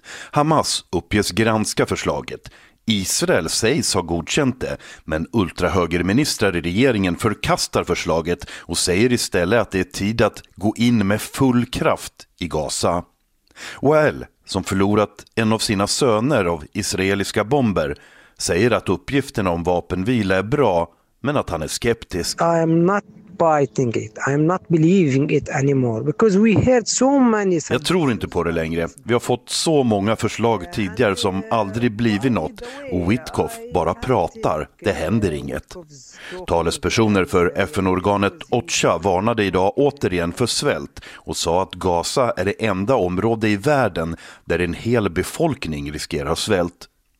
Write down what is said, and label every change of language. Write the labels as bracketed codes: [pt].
[sv] Hamas uppges granska förslaget. Israel sägs ha godkänt det, men ultrahögerministrar i regeringen förkastar förslaget och säger istället att det är tid att gå in med full kraft i Gaza. Well, som förlorat en av sina söner av israeliska bomber, säger att uppgifterna om vapenvila är bra, men att han är skeptisk. [en] I am not fighting it. I'm not believing it anymore because we heard so many. [sv] Jag tror inte på det längre. Vi har fått så många förslag tidigare som aldrig blivit något. Och Witkoff bara pratar. Det händer inget. Talespersoner för FN-organet OCHA varnade idag återigen för svält och sa att Gaza är det enda område i världen där en hel befolkning riskerar svält.